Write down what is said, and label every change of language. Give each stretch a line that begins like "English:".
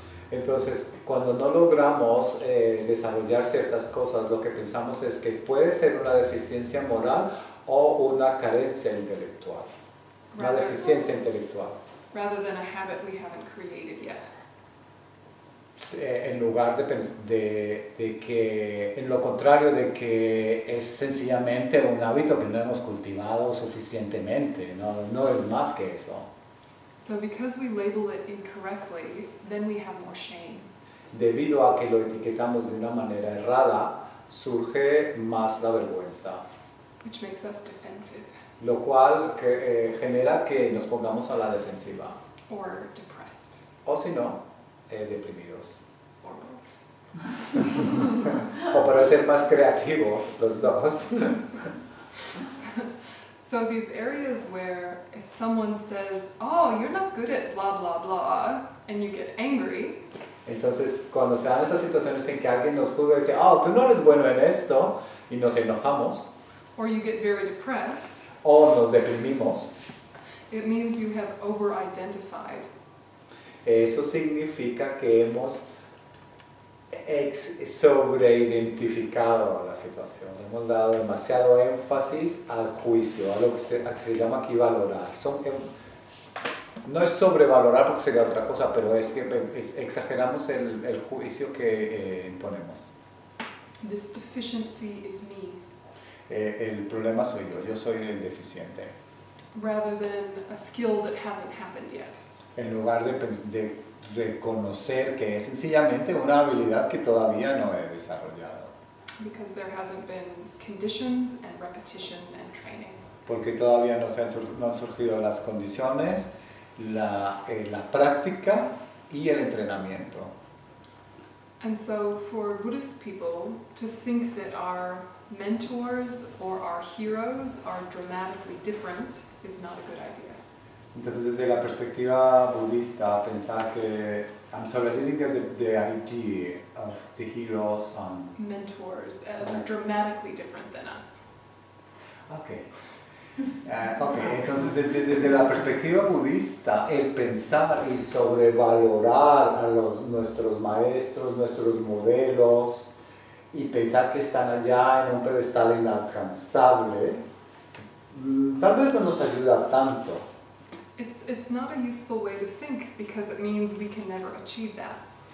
Spanish: Entonces, cuando no logramos desarrollar ciertas cosas, lo que pensamos es que puede ser una deficiencia moral o una carencia intelectual. Una deficiencia intelectual.
English: Rather than a habit we haven't created yet.
Spanish: En lugar de que, en lo contrario de que es sencillamente un hábito que no hemos cultivado suficientemente, no es más que eso.
English: So because we label it incorrectly, then we have more shame.
Spanish: Debido a que lo etiquetamos de una manera errada, surge más la vergüenza.
English: Which makes us defensive.
Spanish: Lo cual que, genera que nos pongamos a la defensiva.
English: Or depressed.
Spanish: O si no, deprimidos.
English: Or both.
Spanish: O para ser más creativos, los dos.
English: So these areas where if someone says, oh, you're not good at blah, blah, blah, and you get angry.
Spanish: Entonces, cuando se dan esas situaciones en que alguien nos juzga y dice, oh, tú no eres bueno en esto, y nos enojamos.
English: Or you get very depressed.
Spanish: O nos deprimimos.
English: It means you have over-identified.
Spanish: Eso significa que hemos sobre-identificado la situación. Hemos dado demasiado énfasis al juicio, a lo que se llama aquí valorar. No es sobrevalorar porque sería otra cosa, pero es que exageramos el juicio que imponemos.
English: This deficiency is me.
Spanish: El problema soy yo. Yo soy el deficiente.
English: Rather than a skill that hasn't happened yet.
Spanish: En lugar de reconocer que es sencillamente una habilidad que todavía no he desarrollado.
English: Because there hasn't been conditions and repetition and training.
Spanish: Porque todavía no han surgido las condiciones, la práctica y el entrenamiento.
English: And so for Buddhist people to think that our mentors or our heroes are dramatically different is not a good idea.
Spanish: Entonces desde la perspectiva budista pensar que
English: I'm sorry, I didn't get the idea of the heroes and mentors as dramatically different than us. Okay.
Spanish: Entonces desde la perspectiva budista, el pensar y sobrevalorar a nuestros maestros, nuestros modelos, y pensar que están allá en un pedestal inalcanzable, tal vez no nos ayuda tanto.
English: It's not a useful way to think because it means we can never achieve that.